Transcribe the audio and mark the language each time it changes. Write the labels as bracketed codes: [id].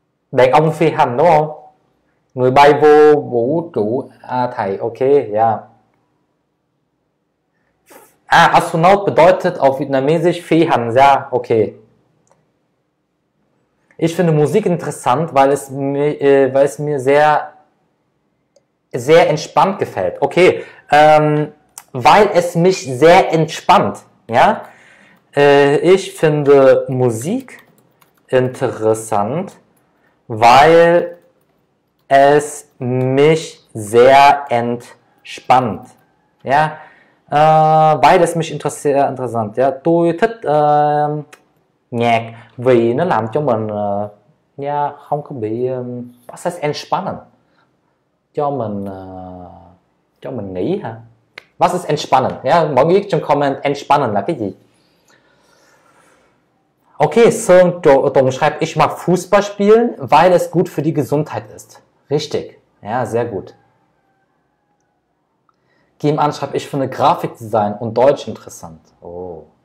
[vi] Đàn ông phi hành đúng không? Người bay vô vũ trụ à, thầy, ok, yeah. [de] À, Astronaut bedeutet auf Vietnamesisch [vi] phi hành, [de] ja, okay. Ich finde Musik interessant, weil es mir sehr entspannt gefällt. Okay, weil es mich sehr entspannt. Ja, ich finde Musik interessant, weil es mich sehr entspannt. Ja, weil es mich interessant. [vi] Ja, tôi thích nhạc vì nó làm cho mình ja không có bị [de] was heißt entspannen. [vi] Cho mình nghĩ hả? [de] Was ist entspannen? [vi] Ja, mọi người viết trong comment entspannen là cái gì? [de] Okay, Sơn Tùng schreibt, ich mag Fußball spielen, weil es gut für die Gesundheit ist. Richtig. Ja, sehr gut. Kim An schreibt, ich finde Grafikdesign und Deutsch interessant. Oh.